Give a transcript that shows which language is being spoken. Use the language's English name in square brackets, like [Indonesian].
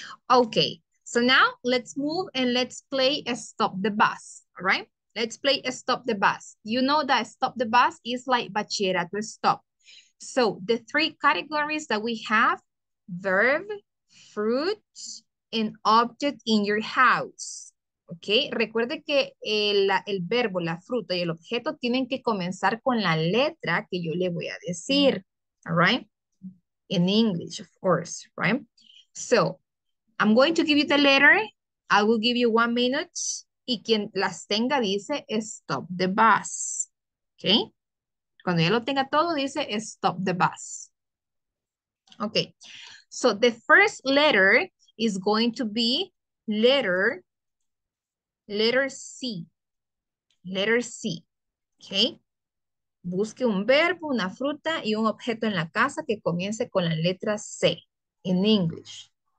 [English] Okay, so now let's move and let's play a stop the bus, all right? Let's play a stop the bus. You know that stop the bus is like bachillerato stop. So the three categories that we have, verb, fruit, and object in your house. [Spanish] Okay, recuerde que el verbo, la fruta y el objeto tienen que comenzar con la letra que yo le voy a decir. [English] All right? In English, of course, right? So I'm going to give you the letter. I will give you 1 minute. [Spanish] Y quien las tenga dice, [English] stop the bus. [Spanish] Okay. Cuando ya lo tenga todo, dice, [English] stop the bus. [Spanish] Okay. [English] So the first letter is going to be letter C. Letter C. Okay. [Spanish] Busque un verbo, una fruta y un objeto en la casa que comience con la letra C [English] in English.